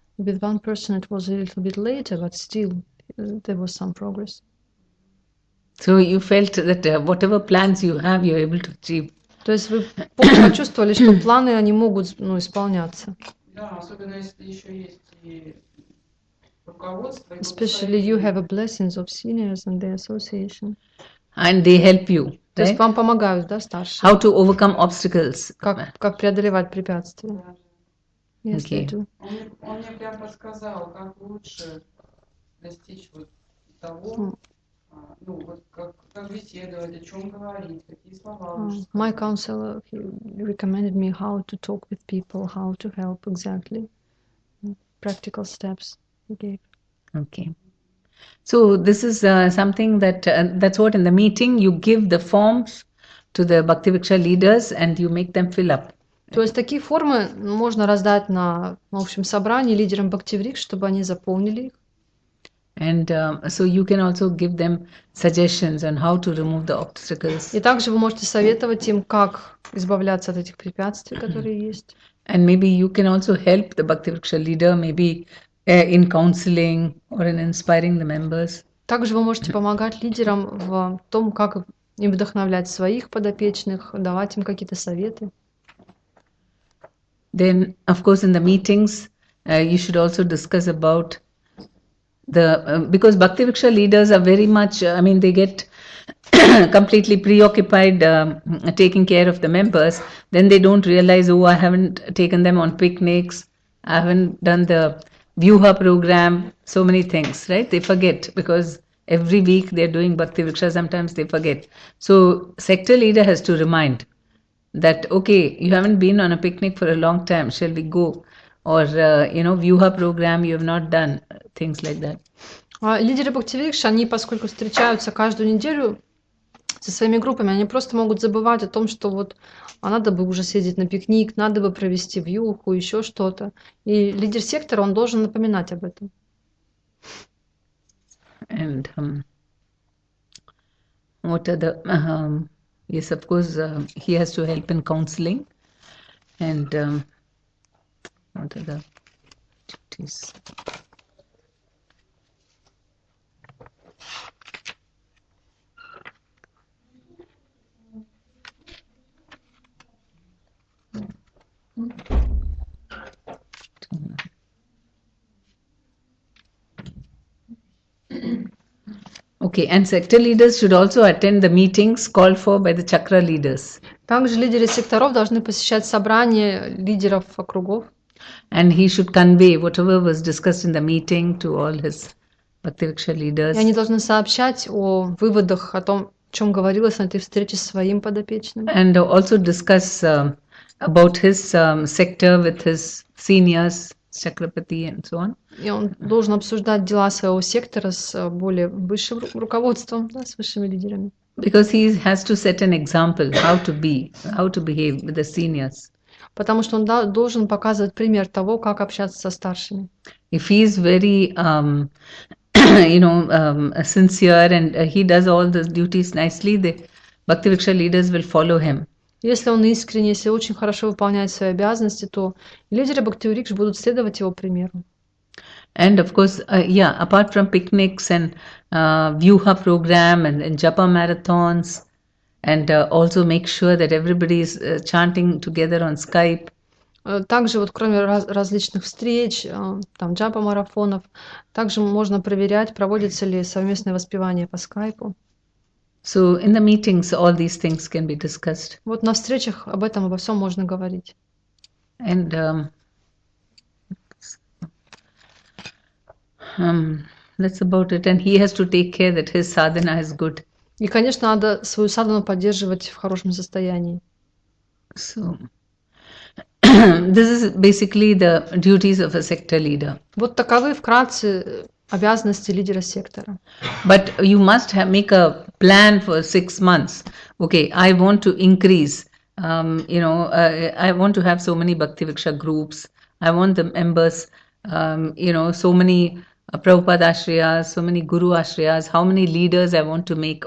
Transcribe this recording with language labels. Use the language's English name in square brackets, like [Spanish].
[English] With one person it was a little bit later, but still there was some progress. So you felt that whatever plans you have, you're able to achieve. [Russian] То есть вы почувствовали, что планы, они могут, ну, исполняться. Да, особенно если еще есть руководство. [English] Especially you have a blessings of seniors and the association. And they help you. [Russian] То есть вам помогают, да, старшие? [English] How to overcome obstacles? [Russian] Как преодолевать препятствия? [English] Yes, okay. [Russian] Он мне прям подсказал, как лучше достичь вот того, ну вот как беседовать, о чем говорить, какие слова лучше. [English] My counselor he recommended me how to talk with people, how to help exactly. Practical steps he gave. Okay. So this is something that that's what in the meeting you give the forms to the Bhakti Viksha leaders and you make them fill up. [Russian] То есть такие формы можно раздать на, в общем, собрании лидерам Бхакти Врикш, чтобы они заполнили их. [English] And so you can also give them suggestions on how to remove the obstacles. [Russian] И также вы можете советовать им, как избавляться от этих препятствий, которые есть. [English] And maybe you can also help the Bhakti Viksha leader, maybe in counseling or in inspiring the members. [Russian] Также вы можете помогать лидерам в том, как им вдохновлять своих подопечных, давать им какие-то советы. [English] Then, of course, in the meetings, you should also discuss about the because Bhakti Viksha leaders are very much. I mean, they get completely preoccupied taking care of the members. Then they don't realize, oh, I haven't taken them on picnics. I haven't done the Vyuha program, so many things, right? They forget because every week they're doing Bhakti Vriksha, sometimes they forget. So sector leader has to remind that, okay, you haven't been on a picnic for a long time, shall we go? Or, you know, Vyuha program, you have not done, things like that. [Russian] Лидеры Бхактивикши, они, поскольку встречаются каждую неделю со своими группами, они просто могут забывать о том, что вот а надо бы уже съездить на пикник, надо бы провести вьюху, еще что-то. И лидер сектора, он должен напоминать об этом. [English] And what are the, yes, of course, he has to help in counseling. And what are the duties? Okay, and sector leaders should also attend the meetings called for by the chakra leaders. [Russian] Также лидеры секторов должны посещать собрания лидеров округов. [English] And he should convey whatever was discussed in the meeting to all his Bhaktivriksha leaders. [Russian] И они должны сообщать о выводах, о том, о чем говорилось на этой встрече с своим подопечным. [English] And also discuss about his sector with his seniors, chakrapati and so on. [Russian] И он должен обсуждать дела своего сектора с более высшим руководством, да, с высшими лидерами. [English] Because he has to set an example how to be, how to behave with the seniors. [Russian] Потому что он должен показывать пример того, как общаться со старшими. [English] If he is very, you know, sincere and he does all the duties nicely, the Bhaktivriksha leaders will follow him. [Russian] Если он искренне, если очень хорошо выполняет свои обязанности, то лидеры Бхактивриксы будут следовать его примеру. [English] And of course, yeah, apart from picnics and Vyuha program and Japa marathons, and also make sure that everybody is chanting together on Skype. [Russian] Также вот кроме различных встреч, там Japa марафонов, также можно проверять, проводится ли совместное воспевание по Skype. [English] So in the meetings, all these things can be discussed. [Russian] Вот на встречах об этом обо всем можно говорить. [English] And that's about it. And he has to take care that his sadhana is good. [Russian] И, конечно, надо свою садхану поддерживать в хорошем состоянии. [English] So this is basically the duties of a sector leader. [Russian] Вот таковы вкратце обязанности лидера сектора. [English] But you must have make a plan for 6 months. Okay, I want to increase, you know, I want to have so many Bhakti Viksha groups. I want the members, you know, so many Prabhupada Ashriyas, so many Guru Ashriyas, how many leaders I want to make.